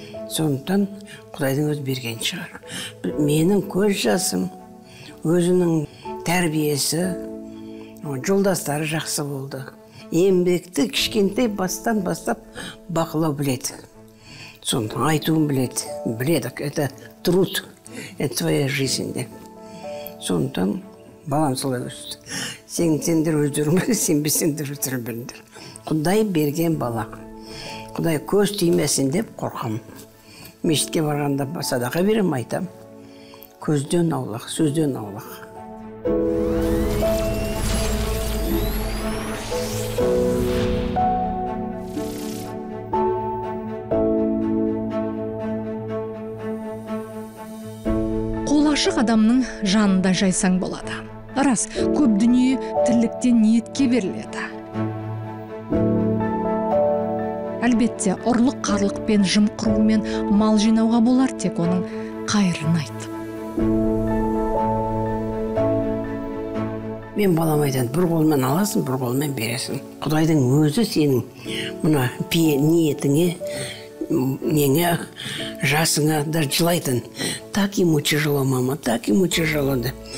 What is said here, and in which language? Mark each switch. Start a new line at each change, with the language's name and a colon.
Kazakh: сондықтан Құдайдың өзі берген шығар. Менің көз жасым, өзінің тәрбиесі, жолдастары жақсы болды. Еңбекті кішкентей бастан бастап бақылау біледі. Сондықтан айтуын біледі. Біледі,
Russian: это труд, это твоя жизнь.
Kazakh: Сондықтан балам солай өсті. Сендер өздерің бір, сен бе сендер өздерің біріндер. Құдай берген бала. Құдай көз тимесін деп қорқам. Мешітке барғанда садақа берем айтам. Көзден аулақ, сөзден аулақ. Қолашық адамның жанында жайсаң болады. Рас, көп дүние тірліктен ниетке беріледі. Әлбетте, ұрлық қарлықпен жым құрумен мал жинауға болар тек оның қайырын айтып. Мен балам айтады, бір қолмен аласың, бір қолмен бересің. Құдайдың өзі сенің мұна ниетіңе, неңе, жасыңа да жылайтын.
Russian: Так ему тяжело, мама, так ему тяжело, да.